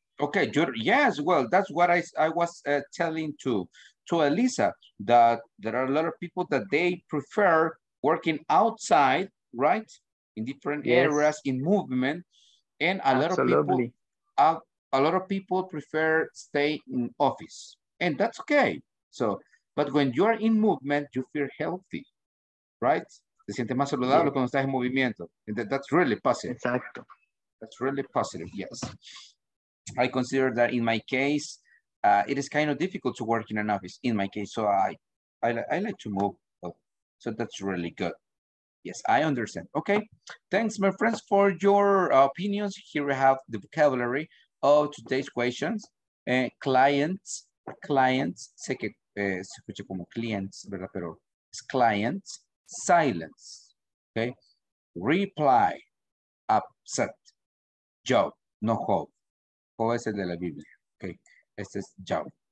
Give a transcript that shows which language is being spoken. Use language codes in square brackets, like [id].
[en] Okay, well, that's what I was telling to Elisa, that there are a lot of people that they prefer working outside, right? In different areas, in movement. And a lot of people prefer stay in office. And that's okay. So, but when you are in movement, you feel healthy, right? [es] Te sientes más saludable cuando estás en movimiento. [en] And that's really positive. [es] Exacto. [en] That's really positive, yes. I consider that in my case, it is kind of difficult to work in an office, in my case. So I like to move. So that's really good. Yes, I understand. Okay. Thanks, my friends, for your opinions. Here we have the vocabulary of today's questions. [es] Clients, sé que se escucha como clients, ¿verdad? Pero [en] it's clients, silence, okay? Reply, upset, job, no hope. [es] O es el de la Biblia, okay? Este es job.